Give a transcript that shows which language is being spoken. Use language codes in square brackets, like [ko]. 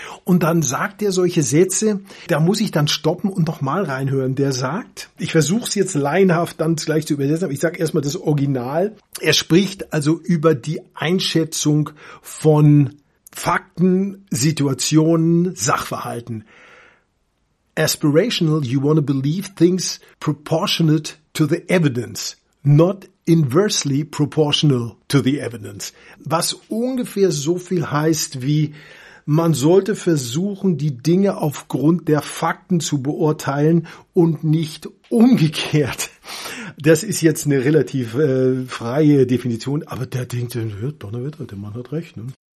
[de] Und dann sagt er solche Sätze, da muss ich dann stoppen und nochmal reinhören. Der sagt, ich versuche es jetzt laienhaft dann gleich zu übersetzen, aber ich sage erstmal das Original. Er spricht also über die Einschätzung von Fakten, Situationen, Sachverhalten. [en] Aspirational, you want to believe things proportionate to the evidence, not inversely proportional to the evidence. [de] Was ungefähr so viel heißt wie, man sollte versuchen, die Dinge aufgrund der Fakten zu beurteilen und nicht umgekehrt. Das ist jetzt eine relativ freie Definition, aber der denkt, hört Donnerwetter, der Mann hat recht, ne?